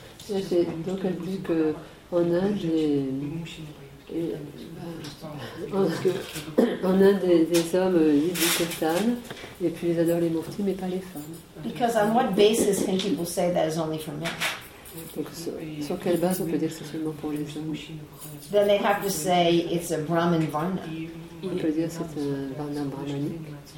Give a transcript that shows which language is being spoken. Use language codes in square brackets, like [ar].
[fr] Donc elle dit que en Inde on a des hommes qui disent que Satan et puis ils adorent les mortis mais pas les femmes. [en] Because on what basis can people say that is only for men? [fr] Donc sur quelle base on peut dire que c'est seulement pour les hommes? [en] Then they have to say it's a Brahmin varna. [fr] On peut dire que c'est un varna brahmanique.